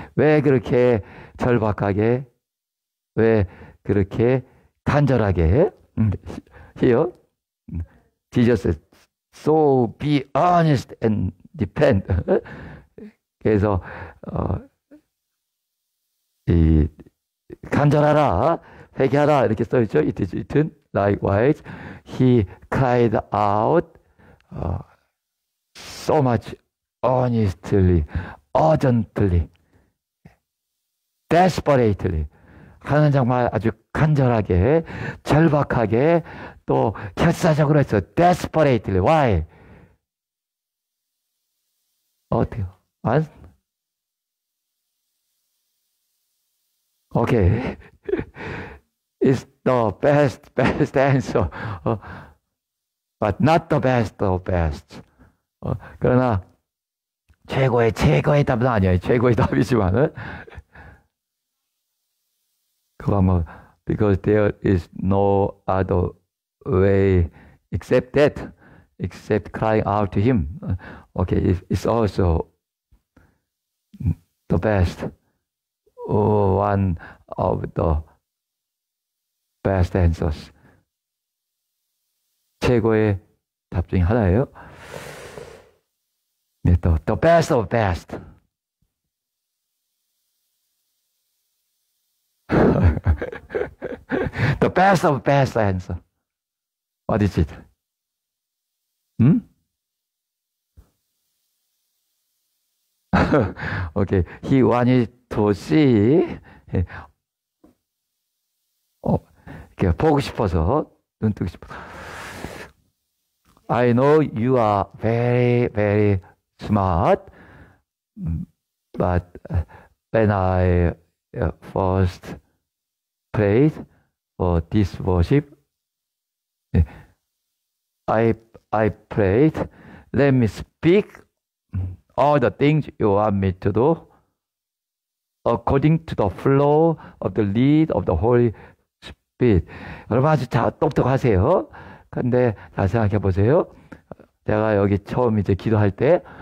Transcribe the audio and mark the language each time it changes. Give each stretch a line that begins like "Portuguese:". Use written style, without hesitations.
Korean: 왜 그렇게 절박하게, 왜 그렇게 간절하게? 예?
English: Here, Jesus said, so be honest and depend.
Korean: 그래서 이 간절하라, 회개하라 이렇게 써 있죠.
English: It is written likewise. He cried out so much honestly, urgently, desperately.
Korean: 하는 정말 아주 간절하게, 절박하게 또 결사적으로 했어.
English: Desperately. Why?
Korean: 어때요? 안?
English: Okay, it's the best answer, but not the best of best.
Korean: 그러나 최고의 답은 아니에요. 최고의 답이지만은 그건 뭐,
English: because there is no other way except that, except crying out to him. Okay, it's also the best. One of the best answers.
Korean: 최고의 답 중에 하나예요. 네, 또
English: the best of best. The best of best answer. What is it? 음? Okay, he wanted to see.
Korean: 이렇게 보고 싶어서, 눈 뜨고 싶어서.
English: I know you are very, very smart, but when I first prayed for this worship, I prayed, let me speak all the things you want me to do according to the flow of the lead of the Holy Spirit.
Korean: 여러분 아주 똑똑하세요. 근데 잘 생각해 보세요. 제가 여기 처음 이제 기도할 때